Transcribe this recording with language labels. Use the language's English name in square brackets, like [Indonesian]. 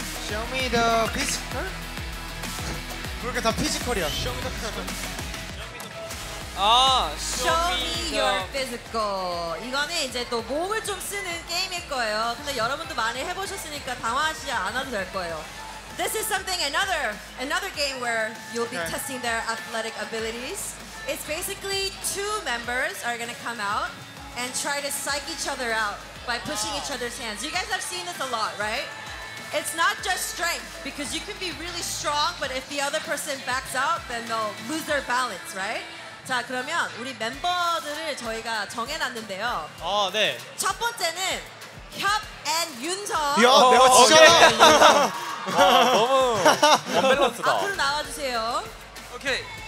[Korean] 쇼미더 피지컬? 그렇게 다 피지컬이야. 쇼미더 피지컬. 아, [English] Show me your physical. [Korean] 이거는 이제 또 몸을 좀 쓰는 게임일 거예요. 근데 여러분도 많이 해보셨으니까 당황하지 않아도 될 거예요. [English] This is something another game where you'll be testing their athletic abilities. It's basically two members are gonna come out and try to psych each other out by pushing each other's hands. You guys have seen this a lot, right? It's not just strength because you can be really strong, but if the other person backs out, then they'll lose their balance, right? [Korean] 자, 그러면 우리 멤버들을 저희가 정해놨는데요. 아, 네. 첫 번째는 협 and 윤성. 야, 내가 진짜. 아, 너무 언밸런스다. 앞으로 나와주세요. 오케이.